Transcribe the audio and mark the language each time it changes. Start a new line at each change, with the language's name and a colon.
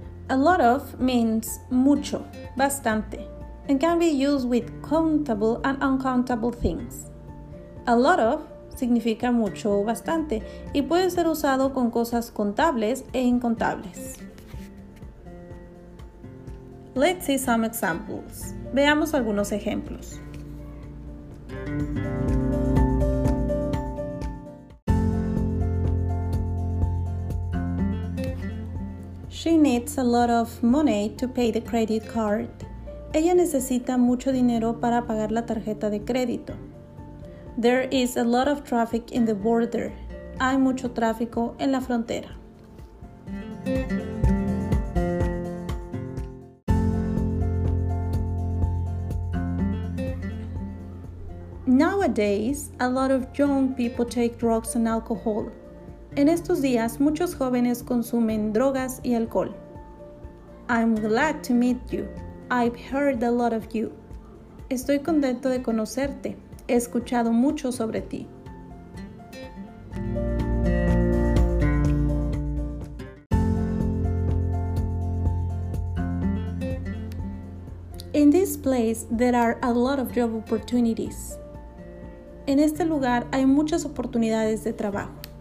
English: A lot of means
Spanish: mucho, bastante,
English: and can be used with countable and uncountable things.
Spanish: A lot of significa mucho o bastante, y puede ser usado con cosas contables e incontables.
English: Let's see some examples.
Spanish: Veamos algunos ejemplos.
English: She needs a lot of money to pay the credit card.
Spanish: Ella necesita mucho dinero para pagar la tarjeta de crédito.
English: There is a lot of traffic in the border.
Spanish: Hay mucho tráfico en la frontera.
English: Nowadays, a lot of young people take drugs and alcohol.
Spanish: En estos días, muchos jóvenes consumen drogas y alcohol.
English: I'm glad to meet you. I've heard a lot of you.
Spanish: Estoy contento de conocerte. He escuchado mucho sobre ti.
English: In this place, there are a lot of job opportunities.
Spanish: En este lugar hay muchas oportunidades de trabajo.